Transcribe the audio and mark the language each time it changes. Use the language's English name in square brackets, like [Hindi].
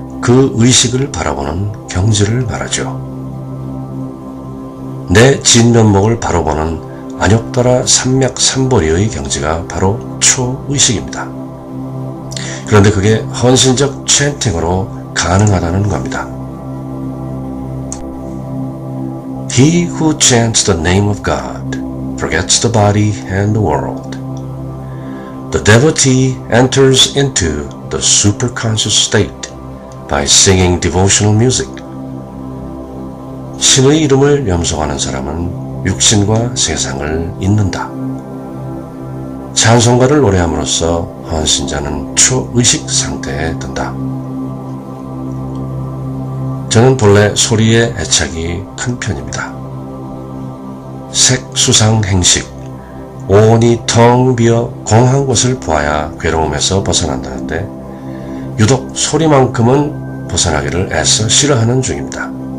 [Korean] 그 의식을 바라보는 경지를 말하죠. 내 진면목을 바로 보는 안욕따라 삼맥삼보리의 경지가 바로 초의식입니다. 그런데 그게 헌신적 챈팅으로 가능하다는 겁니다. [English] He who chants the name of God forgets the body and the world. The devotee enters into the superconscious state by singing devotional music. [Korean] 신의 이름을 염송하는 사람은 육신과 세상을 잊는다. 찬송가를 노래함으로써 헌신자는 초의식 상태에 든다. 저는 본래 소리에 애착이 큰 편입니다. 색수상 행식, 온이 텅 비어 공한 곳을 보아야 괴로움에서 벗어난다는데 유독 소리만큼은 벗어나기를 애써 싫어하는 중입니다.